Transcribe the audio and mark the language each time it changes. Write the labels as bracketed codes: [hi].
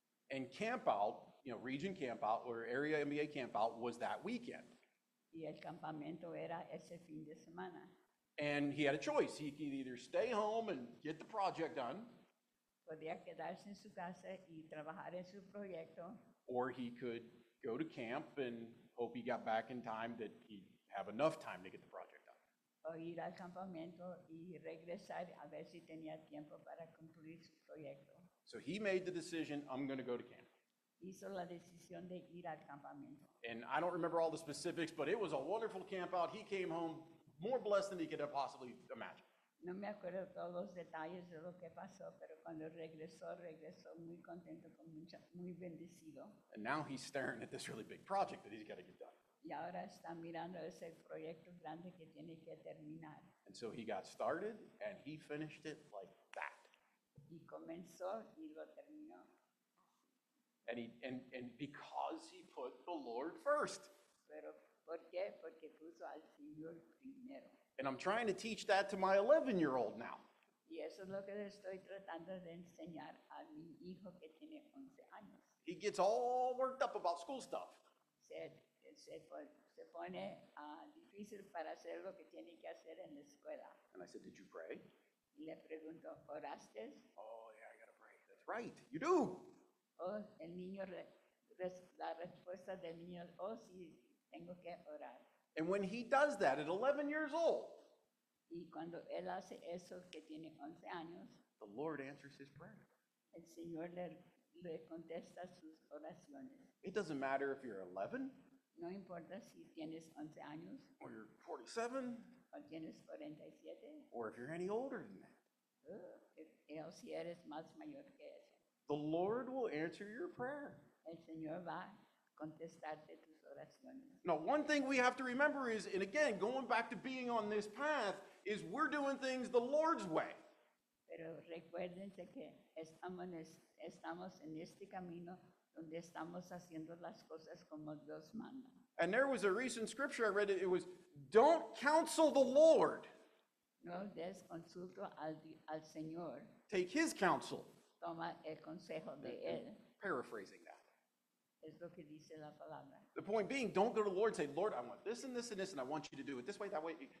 [en] And campout, region campout or area MBA campout was that weekend. [es] Y el campamento era ese fin de semana. [en] And he had a choice. He could either stay home and get the project done. [es] podía quedarse en su casa y trabajar en su proyecto. [en] Or he could go to camp and hope he got back in time that he'd have enough time to get the project done. [es] O ir al campamento y regresar a ver si tenía tiempo para concluir su proyecto. [en] So he made the decision, I'm going to go to camp. [es] Hizo la decisión de ir al campamento. [en] And I don't remember all the specifics, but it was a wonderful camp out. He came home more blessed than he could have possibly imagined. [es] No me acuerdo todos los detalles de lo que pasó, pero cuando regresó, regresó muy contento, con mucha, muy bendecido. [en] And now he's staring at this really big project that he's got to get done. [es] Y ahora está mirando ese proyecto grande que tiene que terminar. [en] And so he got started and he finished it like that. [es] Y comenzó y lo terminó. [en] And because he put the Lord first. [es] Pero ¿por qué? Porque puso al Señor primero. [en] And I'm trying to teach that to my 11-year-old now. [es] Y eso es lo que estoy tratando de enseñar a mi hijo que tiene 11 años. [en] He gets all worked up about school stuff. [es] Se pone difícil para hacer lo que tiene que hacer en la escuela. [en] And I said, did you pray? [es] Y le pregunto, ¿oraste? [en] Oh, yeah, I gotta pray. That's right, you do. [es] Oh, el niño, la respuesta del niño, oh, sí, tengo que orar. [en] And when he does that at 11 years old, [es] y cuando él hace eso que tiene 11 años, [en] the Lord answers his prayer. [es] El Señor le contesta sus oraciones. [en] It doesn't matter if you're 11. [es] No importa si tienes 11 años. [en] Or you're 47. [es] O tienes 47. [en] Or if you're any older than that. [es] O si eres más mayor que eso. [en] The Lord will answer your prayer. [es] El Señor va a contestarte tus oraciones. [en] Now, one thing we have to remember is, and again, going back to being on this path, is we're doing things the Lord's way. [es] Pero recuérdense que estamos en este camino donde estamos haciendo las cosas como Dios manda. [en] And there was a recent scripture I read. It was, don't counsel the Lord. [es] No des consulto al Señor. [en] Take his counsel. [es] Toma el consejo de él. [en] Paraphrasing that. [es] Es lo que dice la palabra. [en] The point being, don't go to the Lord and say, Lord, I want this and this and this, and I want you to do it this way, that way.